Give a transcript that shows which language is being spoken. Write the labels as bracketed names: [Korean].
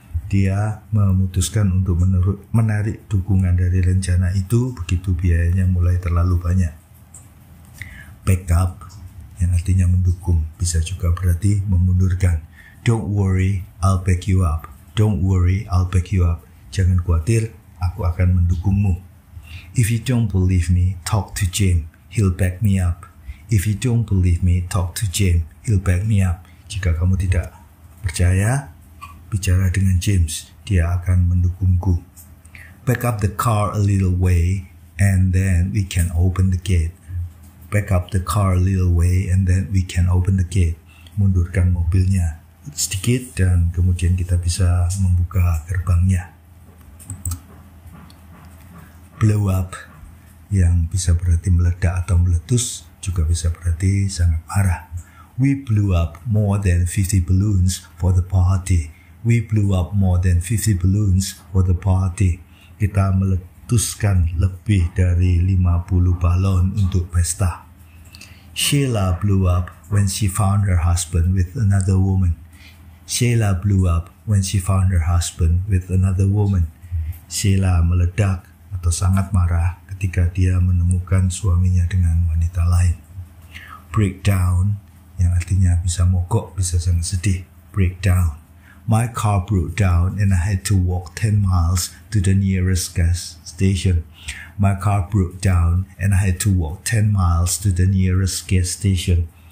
[Indonesian] Dia memutuskan untuk menarik dukungan dari rencana itu begitu biayanya mulai terlalu banyak. Back up, yang artinya mendukung, bisa juga berarti memundurkan. [English] Don't worry, I'll back you up. Don't worry, I'll back you up. [Indonesian] Jangan khawatir, aku akan mendukungmu. [English] If you don't believe me, talk to Jim. He'll back me up. If you don't believe me, talk to Jim. He'll back me up. [Indonesian] Jika kamu tidak percaya, bicara dengan James. Dia akan mendukungku. [English] Back up the car a little way, and then we can open the gate. Back up the car a little way and then we can open the gate. [Indonesian] Mundurkan mobilnya sedikit dan kemudian kita bisa membuka gerbangnya. Blow up, yang bisa berarti meledak atau meletus, juga bisa berarti sangat marah. [English] We blew up more than 50 balloons for the party. We blew up more than 50 balloons for the party. [Indonesian] Kita meletuskan lebih dari 50 balon untuk pesta. [English] Sheila blew up when she found her husband with another woman. Sheila blew up when she found her husband with another woman. [Indonesian] Sheila meledak atau sangat marah ketika dia menemukan suaminya dengan wanita lain. Break down, yang artinya bisa mogok, bisa sangat sedih. [English] Break down. My car broke down and I had to walk 10 miles to the nearest gas station. My car broke down and I had to walk 10 miles to the nearest gas station.